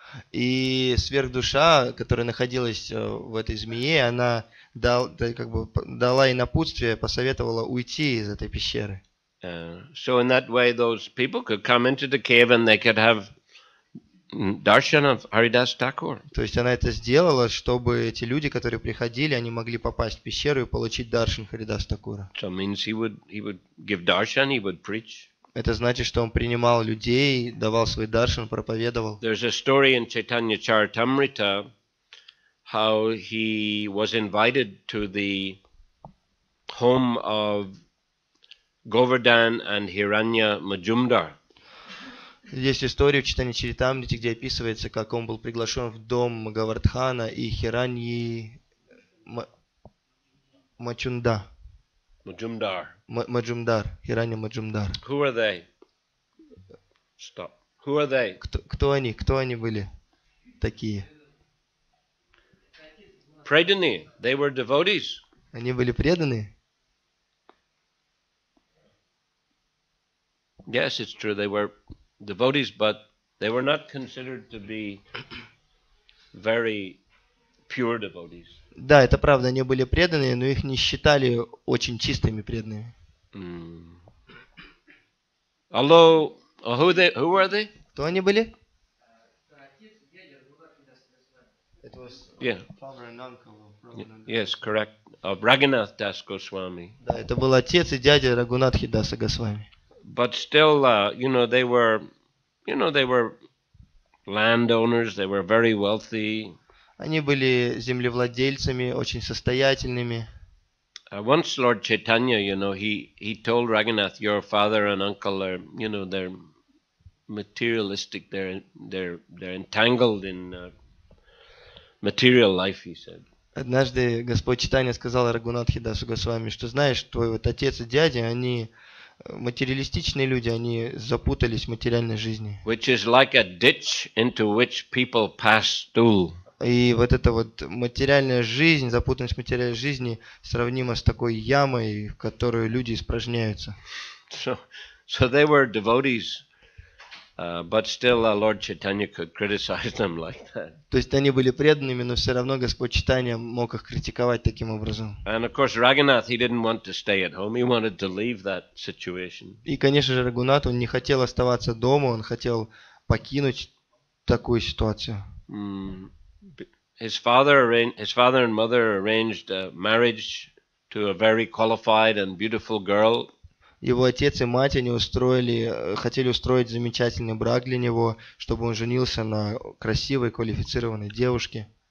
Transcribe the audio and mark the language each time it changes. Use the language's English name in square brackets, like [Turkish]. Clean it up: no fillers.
[Russian] И сверхдуша, которая находилась в этой змее, она дала ей напутствие, посоветовала уйти из этой пещеры. [English] So in that way those people could come into the cave and they could have darshan of Haridas Thakur. [Russian] То есть она это сделала, чтобы эти люди, которые приходили, они могли попасть в пещеру и получить даршан Харидас Такура. [English] So means he would give darshan, he would preach. [Russian] Это значит, что он принимал людей, давал свой даршан, проповедовал. [English] There's a story in Chaitanya Charitamrita, how he was invited to the home of Govardhan and Hiranya Majumdar. [Russian] Есть история в Chaitanya Charitamrita, где описывается, как он был приглашен в дом Говардхана и Хираньи Мачунда. Маджумдар. Хиранья Маджумдар. [English] Who are they? Stop. Who are they? [Russian] Кто они? Кто они были такие? Преданы. [English] They were devotees. [Russian] Они были преданы? [English] Yes, it's true. They were devotees, but they were not considered to be very pure devotees. [Russian] Да, это правда, они были преданные, но их не считали очень чистыми преданными. [English] Алло, who were they? [Russian] Кто они были? [English] It was father and uncle. Yes, correct. Raghunath Das Goswami. [Russian] Да, это был отец и дядя Рагунатхи Даса Госвами. [English] But still, they were landowners. They were very wealthy. [Russian] Они были землевладельцами, очень состоятельными. [English] Once Lord Chaitanya, you know, he told Raghunath, your father and uncle are, you know, they're materialistic, they're entangled in material life, he said. [Russian] Однажды Господь Чайтанья сказал Рагунатхи Дасу Госвами, что знаешь, твой вот отец и дядя, они материалистичные люди, они запутались в материальной жизни. [English] Which is like a ditch into which people pass stool. [Russian] И вот эта вот материальная жизнь, запутанность материальной жизни сравнима с такой ямой, в которую люди испражняются. [English] So they were devotees. But still, Lord Chaitanya could criticize them like that. [Russian] То есть они были преданными, но все равно Господь Чайтанья мог их критиковать таким образом. [English] And of course, Raghunath, he didn't want to stay at home. He wanted to leave that situation. [Russian] И, конечно же, Рагунат, он не хотел оставаться дома, он хотел покинуть такую ситуацию. [English] His father and mother arranged a marriage to a very qualified and beautiful girl. [Russian] Его отец и мать, они устроили, хотели устроить замечательный брак для него, чтобы он женился на красивой, квалифицированной девушке.